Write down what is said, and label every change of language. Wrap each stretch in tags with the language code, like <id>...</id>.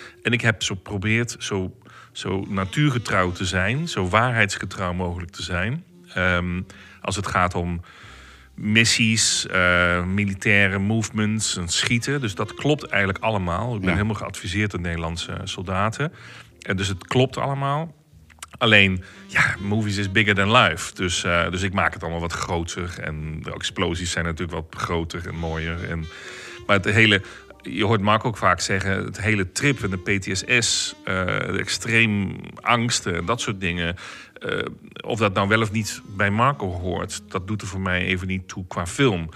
<nl>En ik heb zo geprobeerd zo natuurgetrouw te zijn. Zo waarheidsgetrouw mogelijk te zijn. Als het gaat om missies, militaire movements, en schieten. Dus dat klopt eigenlijk allemaal. Ik ben helemaal geadviseerd door Nederlandse soldaten. En dus het klopt allemaal.</nl> <en>Alleen, ja, movies is bigger than life.</en> <nl>Dus ik maak het allemaal wat groter. En de explosies zijn natuurlijk wat groter en mooier. Maar het hele, je hoort Mark ook vaak zeggen, het hele trip en de PTSS, de extreem angsten en dat soort dingen. Of dat nou wel of niet bij Marco hoort, dat doet er voor mij even niet toe qua film.</nl>